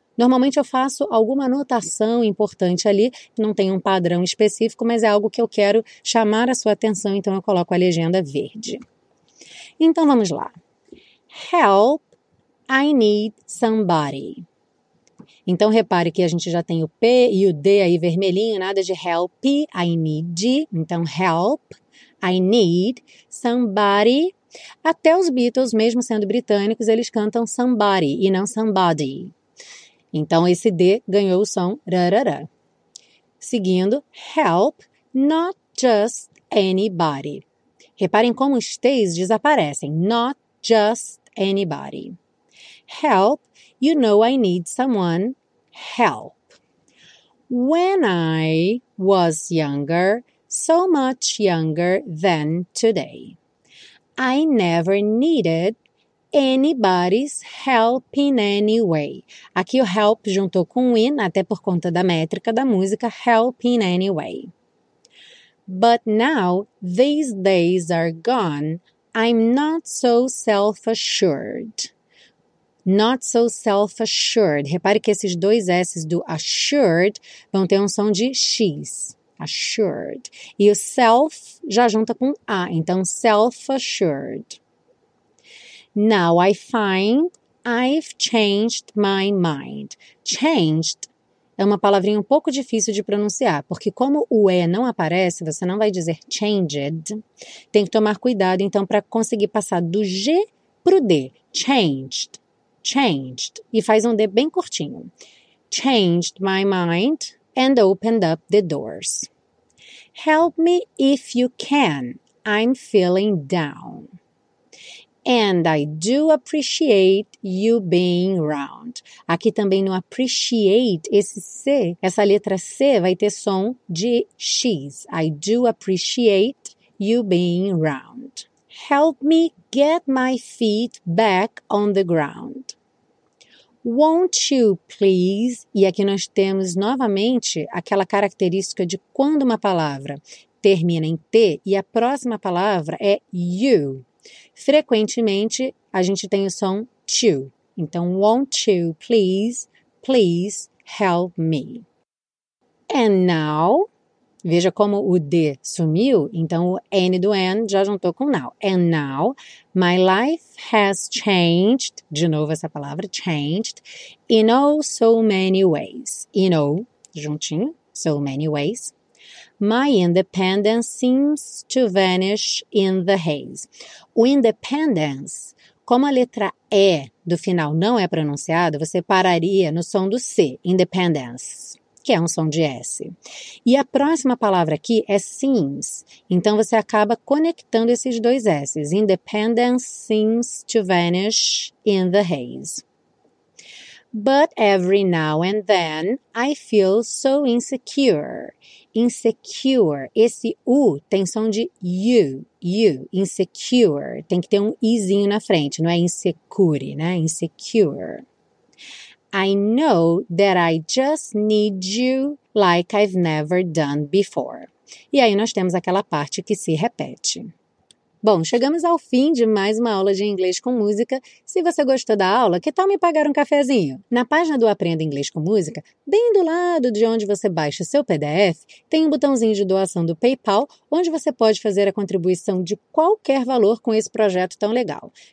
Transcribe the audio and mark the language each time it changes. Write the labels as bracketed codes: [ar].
[pt] Normalmente eu faço alguma anotação importante ali, não tem um padrão específico, mas é algo que eu quero chamar a sua atenção, então eu coloco a legenda verde. Então vamos lá. [en] Help, I need somebody. [pt] Então repare que a gente já tem o P e o D aí vermelhinho, nada de [en] help, I need. Então help, I need somebody. [pt] Até os Beatles, mesmo sendo britânicos, eles cantam somebody e não somebody. Então, esse D ganhou o som rarara. Seguindo, [en] help, not just anybody. [pt] Reparem como os T's desaparecem. [en] Not just anybody. Help, you know I need someone. Help. When I was younger, so much younger than today. I never needed anybody's help in any way. [pt] Aqui o help juntou com in, até por conta da métrica da música, [en] help in any way. But now these days are gone, I'm not so self-assured. Not so self-assured. [pt] Repare que esses dois S's do assured vão ter um som de X. Assured. E o self já junta com A, então self-assured. [en] Now I find I've changed my mind. [pt] Changed é uma palavrinha um pouco difícil de pronunciar, porque como o E não aparece, você não vai dizer changed. Tem que tomar cuidado, então, para conseguir passar do G para o D. Changed. Changed. E faz um D bem curtinho. [en] Changed my mind and opened up the doors. Help me if you can. I'm feeling down. And I do appreciate you being round. [pt] Aqui também no appreciate, esse C, essa letra C vai ter som de X. [en] I do appreciate you being round. Help me get my feet back on the ground. Won't you please? [pt] E aqui nós temos novamente aquela característica de quando uma palavra termina em T e a próxima palavra é you. Frequentemente a gente tem o som to. Então, [en] won't you please, please help me. And now, [pt] Veja como o de sumiu, então o N do N já juntou com now. [en] And now, my life has changed, [pt] de novo essa palavra, [en] changed, in oh so many ways. In oh, [pt] juntinho, [en] so many ways. My independence seems to vanish in the haze. [pt] O independence, como a letra E do final não é pronunciada, você pararia no som do C, independence, que é um som de S. E a próxima palavra aqui é seems. Então, você acaba conectando esses dois S's. [en] Independence seems to vanish in the haze. But every now and then, I feel so insecure. [pt] Insecure. Esse U tem som de U. U. [en] Insecure. [pt] Tem que ter um Izinho na frente. Não é insecure, né? [en] Insecure. I know that I just need you like I've never done before. [pt] E aí nós temos aquela parte que se repete. Bom, chegamos ao fim de mais uma aula de inglês com música. Se você gostou da aula, que tal me pagar um cafezinho? Na página do Aprenda Inglês com Música, bem do lado de onde você baixa o seu PDF, tem um botãozinho de doação do PayPal, onde você pode fazer a contribuição de qualquer valor com esse projeto tão legal.